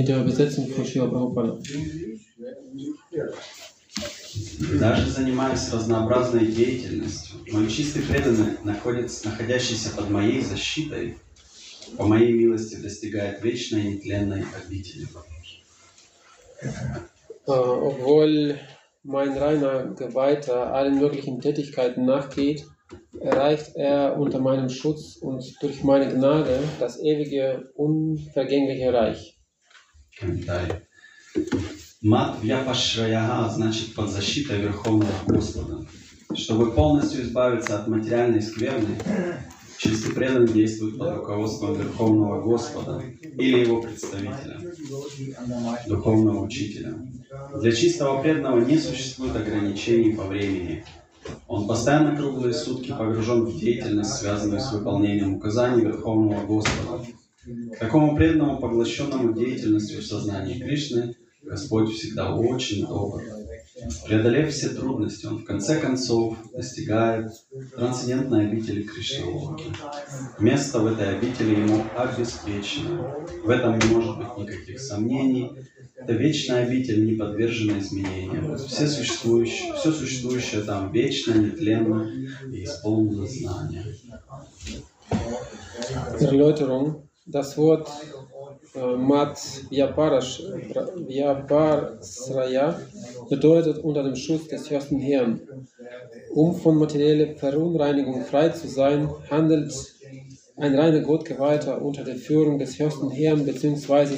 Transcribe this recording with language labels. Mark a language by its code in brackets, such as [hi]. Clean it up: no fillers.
[ru] Это обязательно про Шрила Прабхупада. Даже занимаясь разнообразной деятельностью, мой чистый преданный, находящийся под моей защитой, по моей милости достигает вечной и нетленной обители. [de] Obwohl mein reiner Geweihter allen möglichen Tätigkeiten nachgeht, erreicht unter meinem Schutz und durch meine Gnade das ewige, unvergängliche Reich. [ru] Комментарий. Матвьяпашраяха значит под защитой Верховного Господа. Чтобы полностью избавиться от материальной скверны, чистый преданный действует под руководством Верховного Господа или его представителя, духовного учителя. Для чистого преданного не существует ограничений по времени. Он постоянно круглые сутки погружен в деятельность, связанную с выполнением указаний Верховного Господа. Такому преданному, поглощенному деятельностью в сознании Кришны, Господь всегда очень добр. Преодолев все трудности, он в конце концов достигает трансцендентной обители Кришналоки. Место в этой обители ему обеспечено. В этом не может быть никаких сомнений. Это вечная обитель, не подверженная изменениям. Все существующее там вечно, нетленно и исполнено знания. [de] Erläuterung. Das Wort Matvyaparasraya bedeutet unter dem Schutz des höchsten Herrn. Von materieller Verunreinigung frei zu sein, handelt ein reiner Gottgeweihter unter der Führung des höchsten Herrn bzw.